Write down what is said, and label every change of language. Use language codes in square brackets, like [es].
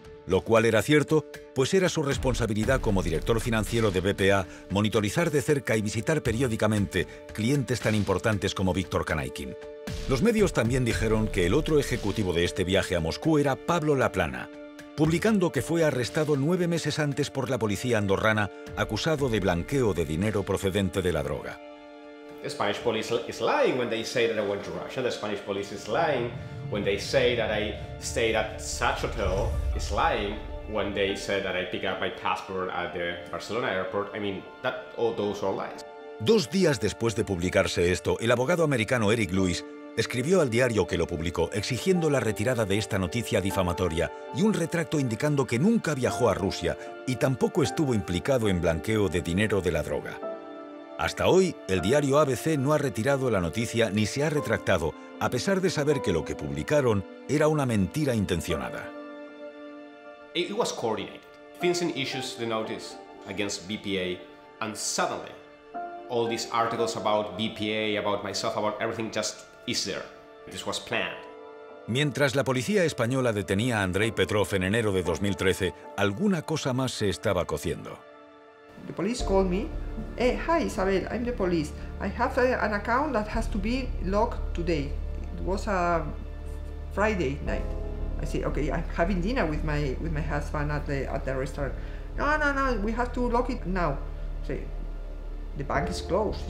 [es] Lo cual era cierto, pues era su responsabilidad como director financiero de BPA monitorizar de cerca y visitar periódicamente clientes tan importantes como Viktor Kanaikin. Los medios también dijeron que el otro ejecutivo de este viaje a Moscú era Pablo Laplana, publicando que fue arrestado 9 meses antes por la policía andorrana, acusado de blanqueo de dinero procedente de la droga. [en] The Spanish police is lying when they say that I went to Russia. The Spanish police is lying when they say that I stayed at such hotel. It's lying when they said that I picked up my passport at the Barcelona airport. I mean, that all those are lies. [es] Dos días después de publicarse esto, el abogado americano Eric Lewis escribió al diario que lo publicó exigiendo la retirada de esta noticia difamatoria y un retracto indicando que nunca viajó a Rusia y tampoco estuvo implicado en blanqueo de dinero de la droga. Hasta hoy, el diario ABC no ha retirado la noticia ni se ha retractado, a pesar de saber que lo que publicaron era una mentira intencionada. [en] It was coordinated. FinCEN issues the notice against BPA, and suddenly, all these articles about BPA, about myself, about everything just is there. This was planned. [es] Mientras la policía española detenía a Andrei Petrov en enero de 2013, alguna cosa más se estaba cociendo. [en] The police called me. Hi, Isabel, I'm the police. I have an account that has to be locked today. It was a Friday night. I say, okay, I'm having dinner with my husband at the restaurant. No, we have to lock it now. I say, the bank is closed.